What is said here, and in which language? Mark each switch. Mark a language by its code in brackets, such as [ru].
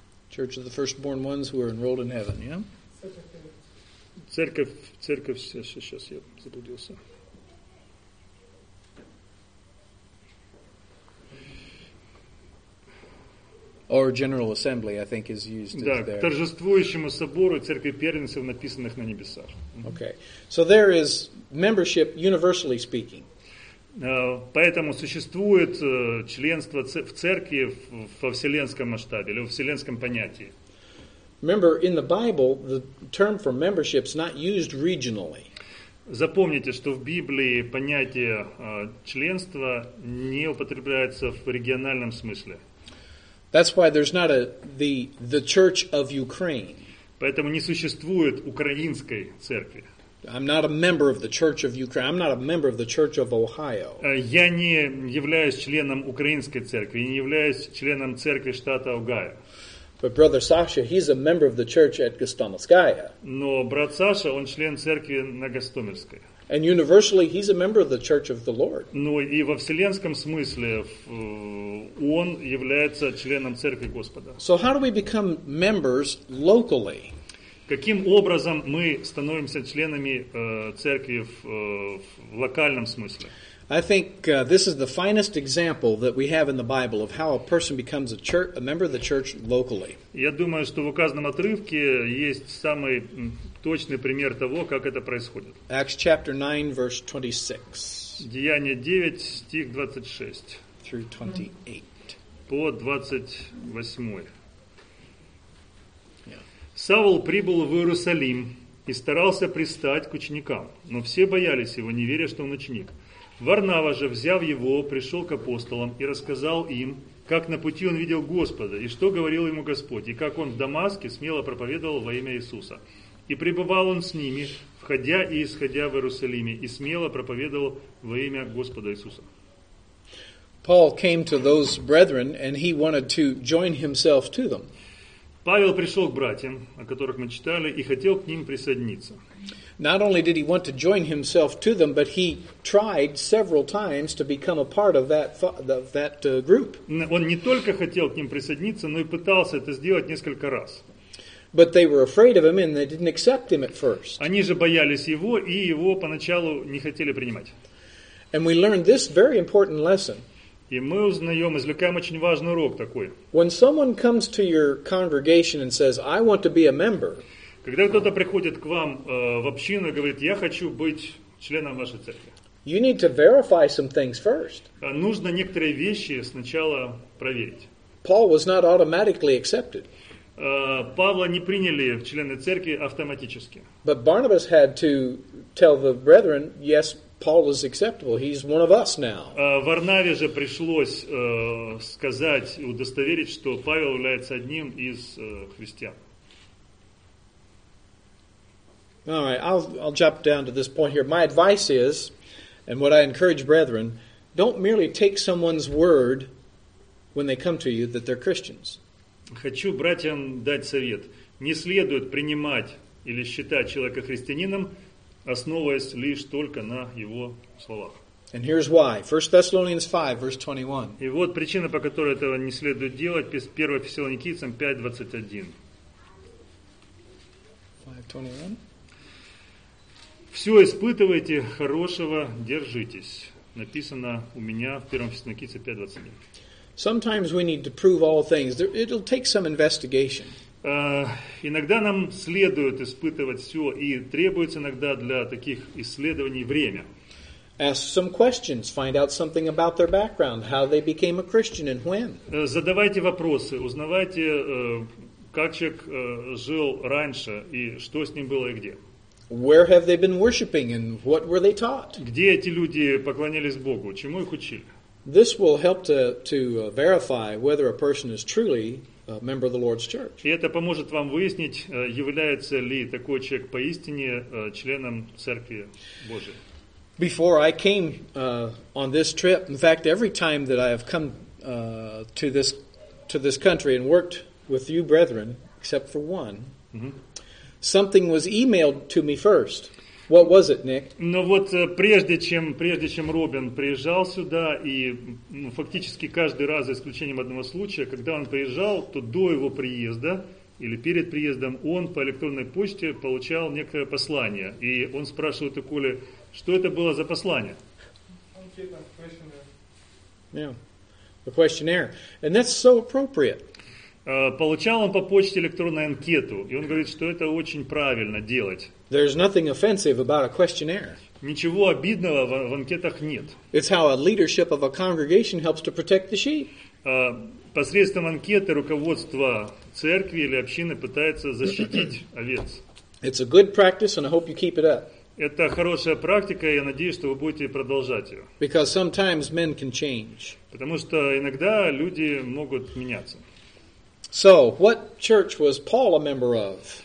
[en] Church of the firstborn ones who are enrolled in heaven, yeah? [ru] Церковь, сейчас я заблудился. Oh, [en] Or General Assembly, I think, is used [ru] да, [en] there. [ru] К торжествующему собору церкви первенцев, написанных на небесах. [en] Okay. So there is membership, universally speaking. [ru] Поэтому существует членство в церкви во вселенском масштабе или во вселенском понятии. [en] Remember, in the Bible, the term for membership is not used regionally. [ru] Запомните, что в Библии понятие членства не употребляется в региональном смысле. [en] That's why there's not the Church of Ukraine. [ru] Поэтому не существует украинской церкви. [en] I'm not a member of the Church of Ukraine. I'm not a member of the Church of Ohio. [ru] Я не являюсь членом украинской церкви, не являюсь членом церкви штата Огайо. [en] But brother Sasha, he's a member of the church at Gostomelskaya. [ru] Но брат Саша, он член церкви на Гостомельской. [en] And universally, he's a member of the Church of the Lord. [ru] Ну и во вселенском смысле он является членом церкви Господа. [en] So how do we become members locally? [ru] Каким образом мы становимся членами церкви в локальном смысле? [en] I think this is the finest example that we have in the Bible of how a person becomes a member of the church locally. [ru] Я думаю, что в указанном отрывке есть самый точный пример того, как это происходит. [en] Acts chapter 9 verse 26. [ru] Деяния 9 стих 26. [en] Through 28. [ru] По 28. Саул прибыл в Иерусалим и старался пристать к ученикам, но все боялись его, не веря, что он ученик. Варнава же, взяв его, пришел к апостолам и рассказал им, как на пути он видел Господа, и что говорил ему Господь, и как он в Дамаске смело проповедовал во имя Иисуса. И пребывал он с ними, входя и исходя в Иерусалиме, и смело проповедовал во имя Господа Иисуса. [en] Paul came to those brethren, and he wanted to join himself to them. [ru] Павел пришел к братьям, о которых мы читали, и хотел к ним присоединиться. [en] Not only did he want to join himself to them, but he tried several times to become a part of that group. [ru] Он не только хотел к ним присоединиться, но и пытался это сделать несколько раз. [en] But they were afraid of him and they didn't accept him at first. [ru] Они же боялись его и его поначалу не хотели принимать. [en] And we learned this very important lesson. [ru] И мы узнаем, извлекаем очень важный урок такой. [en] When someone comes to your congregation and says, "I want to be a member," [ru] когда кто-то приходит к вам в общину и говорит, я хочу быть членом вашей церкви. [en] You need to verify some things first. [ru] Нужно некоторые вещи сначала проверить. [en] Paul was not automatically accepted. [ru] Павла не приняли в члены церкви автоматически. [en] But Barnabas had to tell the brethren, yes, Paul is acceptable. He's one of us now. [ru] Варнаве же пришлось сказать и удостоверить, что Павел является одним из христиан. [en] All right, I'll jump down to this point here. My advice is, and what I encourage brethren, don't merely take someone's word when they come to you that they're Christians. [ru] Хочу братьям дать совет. Не следует принимать или считать человека христианином, основываясь лишь только на его словах. [en] And here's why. 1 Thessalonians 5, verse 21. [ru] И вот причина, по которой этого не следует делать, 1 Фессалоникийцам 5, 21. 5:21. Все испытывайте, хорошего держитесь. Написано у меня в 1 Фессалоникийцам 5:21. [en] Sometimes we need to prove all things. It'll take some investigation. [ru] Иногда нам следует испытывать все, и требуется иногда для таких исследований время. [en] Ask some questions, find out something about their background, how they became a Christian and when. [ru] Задавайте вопросы, узнавайте, как человек жил раньше и что с ним было и где. [en] Where have they been worshiping and what were they taught? [ru] Где эти люди поклонялись Богу? Чему их учили? [en] This will help to verify whether a person is truly a member of the Lord's church. [ru] И это поможет вам выяснить, является ли такой человек поистине членом церкви Божьей. [en] Before I came on this trip, in fact, every time that I have come to this country and worked with you brethren, except for one. Mm-hmm. Something was emailed to me first. What was it, Nick? [ru] Но вот прежде чем Робин приезжал сюда, и фактически каждый раз, за исключением одного случая, когда он приезжал, то до его приезда или перед приездом он по электронной почте получал некое послание. И он спрашивает у Коли, что это было за послание? [en] Yeah. The questionnaire. And that's so appropriate. [ru] Получал он по почте электронную анкету, и он говорит, что это очень правильно делать. [en] There's nothing offensive about a questionnaire. [ru] Ничего обидного в анкетах нет. [en] It's how a leadership of a congregation helps to protect the sheep. [ru] Посредством анкеты руководство церкви или общины пытается защитить овец. [en] It's a good practice, and I hope you keep it up. [ru] Это хорошая практика, и я надеюсь, что вы будете продолжать ее. [en] Because sometimes men can change. [ru] Потому что иногда люди могут меняться. [en] So, what church was Paul a member of?